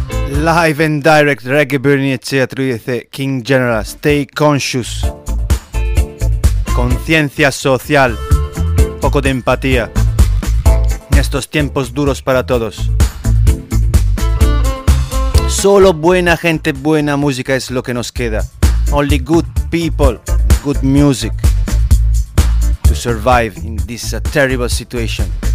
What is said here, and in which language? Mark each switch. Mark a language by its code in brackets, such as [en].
[en] Live and direct, reggae burning, XTR, King General, stay conscious. [es] Conciencia social, poco de empatía en estos tiempos duros para todos. Solo buena gente, buena música es lo que nos queda. [en] Only good people, good music to survive in this terrible situation.